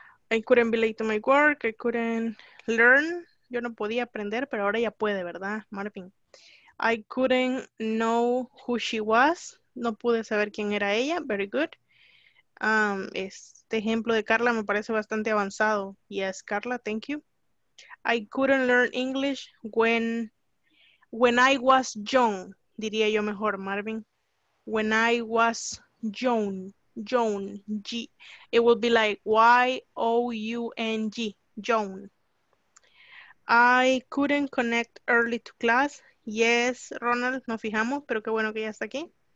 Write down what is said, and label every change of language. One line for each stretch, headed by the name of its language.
English: I couldn't be late to my work. I couldn't learn.
Spanish: Yo no podía aprender, pero ahora ya puede, ¿verdad, Marvin?
English: I couldn't know who she was.
Spanish: No pude saber quién era ella.
English: Very good.
Spanish: Este ejemplo de Carla me parece bastante avanzado.
English: Yes, Carla, thank you. I couldn't learn English when I was young.
Spanish: Diría yo mejor,
English: Marvin. When I was Joan, G. It would be like Y-O-U-N-G, Joan. I couldn't connect early to class.
Spanish: Yes, Ronald, nos fijamos, pero qué bueno que ya está aquí.